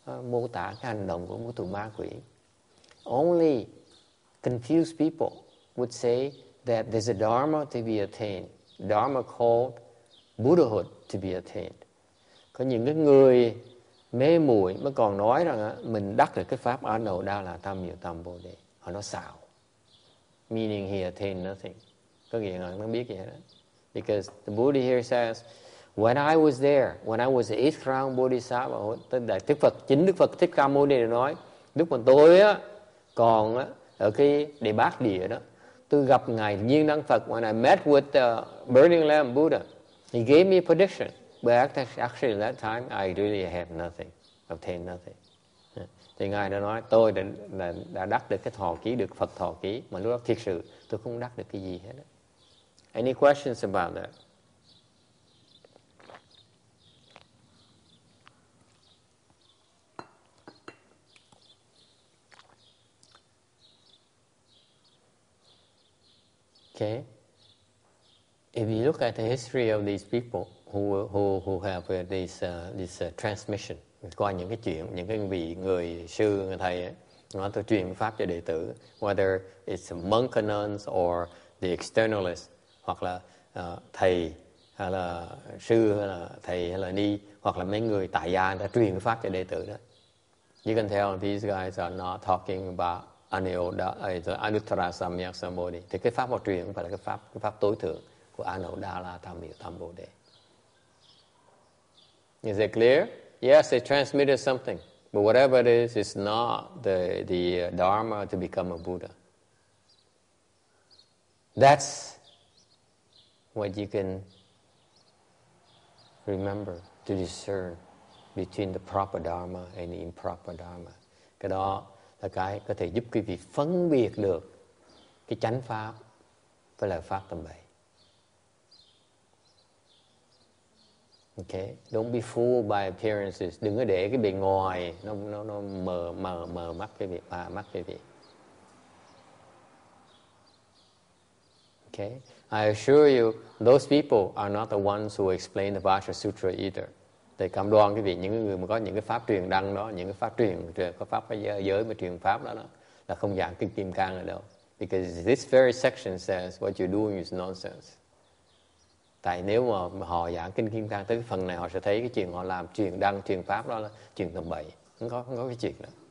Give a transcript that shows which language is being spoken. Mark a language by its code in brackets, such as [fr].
[vi] Mô tả cái hành động của một tụi ma quỷ. [en] Only confused people would say that there's a dharma to be attained. Dharma called Buddhahood to be attained. [vi] Có những cái người mê muội mới còn nói rằng mình đắc được cái pháp Anuddha là tam hiệu tam bồ đề. Họ nói xạo. [en] Meaning he attained nothing. [vi] Có nghĩa là nó biết vậy đó. [en] Because the Buddha here says, when I was there, when I was the 8th round Bodhisattva, [vi] tức là Đức Phật, chính Đức Phật Thích Ca Mâu Ni nói, lúc mà tôi còn ở cái đề bát địa đó, tôi gặp Ngài Nhiên Đăng Phật, [en] when I met with the Burning Lamp Buddha, he gave me a prediction. But actually at that time, I really had nothing, obtained nothing. [vi] Thì Ngài đã nói, tôi đã đắc được cái thọ ký, được Phật thọ ký, mà lúc đó thiệt sự, tôi không đắc được cái gì hết. [en] Any questions about that? Okay. If you look at the history of these people who have this transmission, [vi] qua những cái chuyện, những cái vị người sư, người thầy ấy, nói tôi truyền pháp cho đệ tử, [en] whether it's a monk or nuns or the externalist, [vi] hoặc là thầy hay là sư hay là thầy hay là ni, hoặc là mấy người tại gia đã truyền pháp cho đệ tử đó. [en] You can tell these guys are not talking about Anuttara Samyak Sambodhi. [vi] Thì cái pháp mà truyền phải là cái pháp tối thượng của Anuddha La Tam Hiệu Tam Bồ Đề. [en] Is it clear? Yes, it transmitted something. But whatever it is, it's not the Dharma to become a Buddha. That's what you can remember to discern between the proper Dharma and the improper Dharma. [vi] Cái đó là cái có thể giúp quý vị phân biệt được cái chánh pháp với lời pháp tầm bậy. [en] Okay, don't be fooled by appearances. [vi] Đừng có để cái bề ngoài nó mờ mắt cái việc mờ mắt cái việc. [en] Okay, I assure you, those people are not the ones who explain the Vajra Sutra either. [vi] Thầy cam đoan quý vị, những người mà có những cái pháp truyền đăng đó, những cái pháp truyền có pháp giới mà truyền pháp đó là không giảng cái kim cang ở đâu. [en] Because this very section says what you're doing is nonsense. [vi] Tại nếu mà họ giảng kinh Kim Cang tới phần này, họ sẽ thấy cái chuyện họ làm truyền đăng truyền pháp đó là chuyện tầm bậy, không có cái chuyện đó.